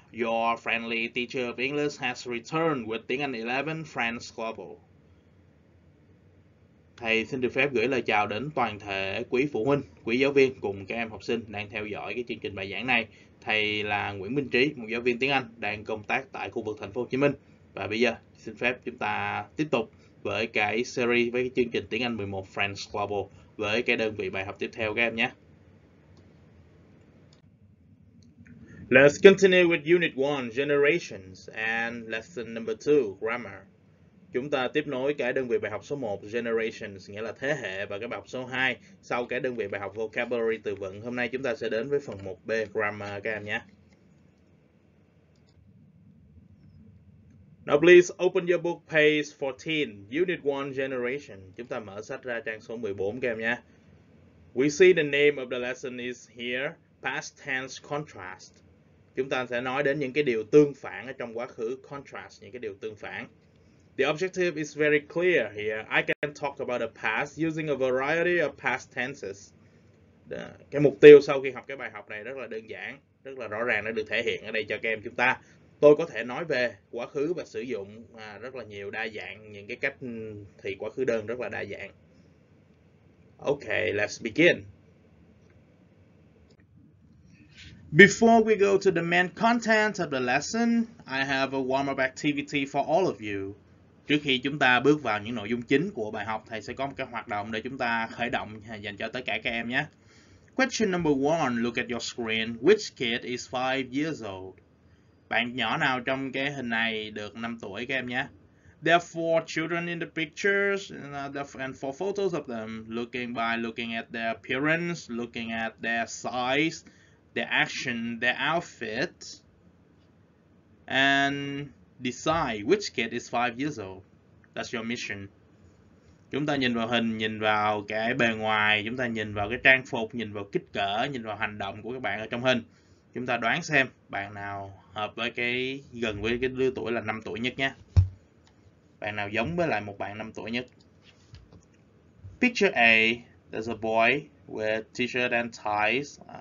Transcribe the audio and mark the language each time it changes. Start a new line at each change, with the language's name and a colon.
English: Your friendly teacher of English has returned with Tiếng Anh 11 Friends Global.
Vietnamese: Thầy xin được phép gửi lời chào đến toàn thể quý phụ huynh, quý giáo viên cùng các em học sinh đang theo dõi cái chương trình bài giảng này. Thầy là Nguyễn Minh Trí, một giáo viên tiếng Anh đang công tác tại khu vực thành phố Hồ Chí Minh. Và bây giờ xin phép chúng ta tiếp tục với cái series với cái chương trình Tiếng Anh 11 Friends Global với cái đơn vị bài học tiếp theo các em nhé.
English: Let's continue with Unit 1, Generations, and Lesson number 2, Grammar.
Vietnamese: Chúng ta tiếp nối cái đơn vị bài học số 1, Generations, nghĩa là thế hệ, và cái bài học số 2, sau cái đơn vị bài học Vocabulary, từ vựng. Hôm nay chúng ta sẽ đến với phần 1B, Grammar, các em nhé.
English: Now please open your book page 14, Unit 1, Generation.
Vietnamese: Chúng ta mở sách ra trang số 14, các em nhé.
English: We see the name of the lesson is here, Past Tense Contrast.
Vietnamese: Chúng ta sẽ nói đến những cái điều tương phản ở trong quá khứ, contrast, những cái điều tương phản.
English: The objective is very clear here. I can talk about the past using a variety of past tenses.
Vietnamese: Cái mục tiêu sau khi học cái bài học này rất là đơn giản, rất là rõ ràng, đã được thể hiện ở đây cho các em chúng ta. Tôi có thể nói về quá khứ và sử dụng rất là nhiều đa dạng, những cái cách thì quá khứ đơn rất là đa dạng.
English: Okay, let's begin. Before we go to the main content of the lesson, I have a warm-up activity for all of you.
Vietnamese: Trước khi chúng ta bước vào những nội dung chính của bài học, thầy sẽ có một cái hoạt động để chúng ta khởi động dành cho tất cả các em nhé.
English: Question number 1, look at your screen. Which kid is 5 years old?
Vietnamese: Bạn nhỏ nào trong cái hình này được 5 tuổi các em nhé?
English: There are 4 children in the pictures and 4 photos of them looking at their appearance, looking at their size, their action, their outfit, and decide which kid is 5 years old. That's your mission.
Vietnamese: Chúng ta nhìn vào hình, nhìn vào cái bề ngoài, chúng ta nhìn vào cái trang phục, nhìn vào kích cỡ, nhìn vào hành động của các bạn ở trong hình. Chúng ta đoán xem bạn nào hợp với cái gần với cái lứa tuổi là 5 tuổi nhất nhé. Bạn nào giống với lại một bạn 5 tuổi nhất.
English: Picture A, there's a boy with t-shirt and ties.